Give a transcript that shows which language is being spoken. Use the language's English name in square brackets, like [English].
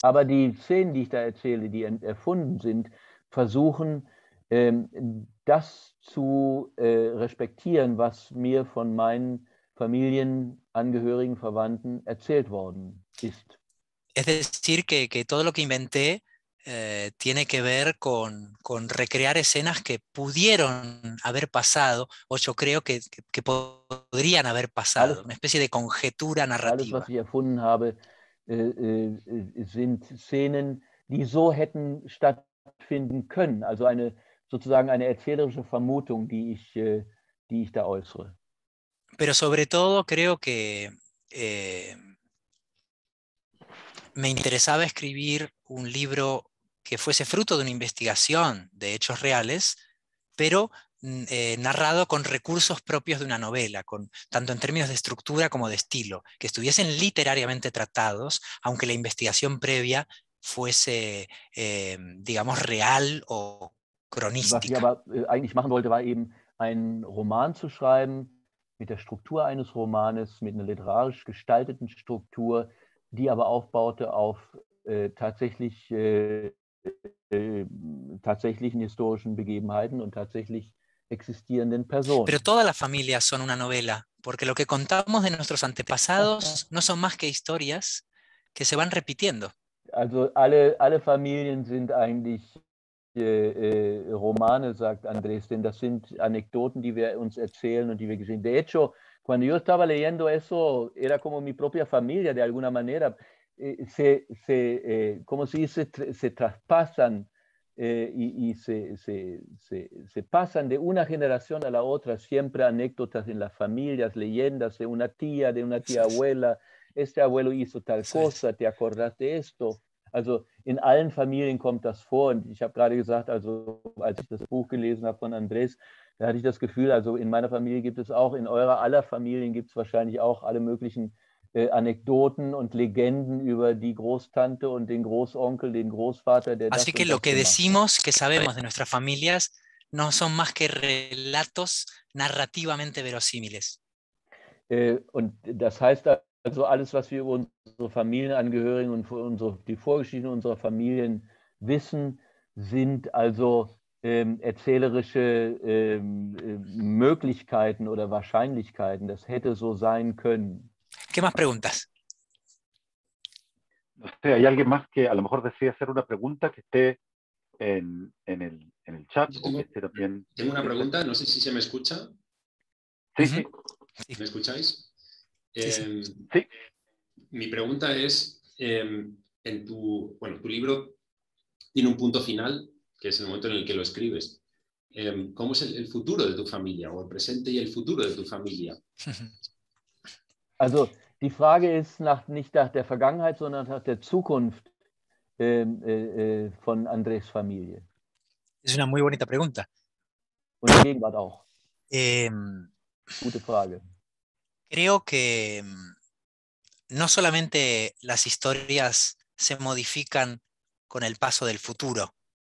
[German] Aber die Szenen, die ich da erzähle, die erfunden sind, versuchen das zu respektieren, was mir von meinen Familienangehörigen, Verwandten erzählt worden ist. [Spanish] Es decir, que todo lo que inventé tiene que ver con recrear escenas que pudieron haber pasado, o yo creo que podrían haber pasado, [German] alles, [Spanish] una especie de conjetura narrativa. [German] Alles, was ich erfunden habe, sind Szenen, die so hätten stattfinden können, also eine sozusagen eine erzählerische Vermutung, die ich da äußere. [Spanish] Pero sobre todo creo que me interesaba escribir un libro que fuese fruto de una investigación de hechos reales, pero narrado con recursos propios de una novela, tanto en términos de estructura como de estilo, que estuviesen literariamente tratados, aunque la investigación previa fuese, digamos, real o cronística. [German] Was ich aber eigentlich machen wollte, war eben einen Roman zu schreiben, mit der Struktur eines Romanes, mit einer literarisch gestalteten Struktur, die aber aufbaute auf tatsächlichen historischen Begebenheiten und tatsächlich existierenden Personen. [Spanish] Pero todas las familias son una novela, porque lo que contamos de nuestros antepasados no son más que historias que se van repitiendo. [German] Also alle Familien sind eigentlich Romane, sagt Andrés, denn das sind Anekdoten, die wir uns erzählen und die wir gesehen. [Spanish] De hecho, cuando yo estaba leyendo eso, era como mi propia familia, de alguna manera. Se traspasan y se pasan de una generación a la otra, siempre anécdotas en las familias, leyendas de una tía abuela, este abuelo hizo tal cosa, ¿te acordás de esto? [German] Also in allen Familien kommt das vor und ich habe gerade gesagt, also als ich das Buch gelesen habe von Andrés, da hatte ich das Gefühl, also in meiner Familie gibt es auch, in eurer aller Familien gibt es wahrscheinlich auch alle möglichen Anekdoten und Legenden über die Großtante und den Großonkel, den Großvater, der [Spanish] das. Así que lo que decimos, que sabemos de nuestras familias, no son más que relatos narrativamente verosímiles. [German] Und das heißt also, alles, was wir über unsere Familienangehörigen und die Vorgeschichten unserer Familien wissen, sind also erzählerische Möglichkeiten oder Wahrscheinlichkeiten. Das hätte so sein können. [Spanish] ¿Qué más preguntas? No sé, ¿hay alguien más que a lo mejor desee hacer una pregunta que esté en el chat? Yo tengo, o que esté también... tengo una pregunta, no sé si se me escucha. Sí, sí. ¿Me escucháis? Sí. Sí. Mi pregunta es, tu libro tiene un punto final, que es el momento en el que lo escribes. ¿Cómo es el futuro de tu familia, o el presente y el futuro de tu familia? [German] Also die Frage ist nicht nach der Vergangenheit, sondern nach der Zukunft von Andrés Familie. [Spanish] Es una muy bonita pregunta. [German] Und die Gegenwart auch. Gute Frage. [Spanish] Creo que no solamente las historias se modifican con el paso del futuro.